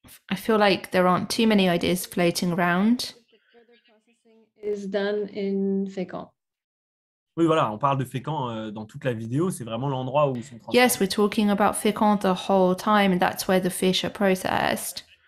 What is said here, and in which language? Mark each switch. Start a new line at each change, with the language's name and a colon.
English: I feel like there aren't too many ideas floating around. Is done in Fécamp.
French: Oui, voilà, on parle de Fécamp dans toute la vidéo, c'est vraiment l'endroit où ils sont transportés.
English: Yes, we're talking about Fécamp the whole time, and that's where the fish are processed.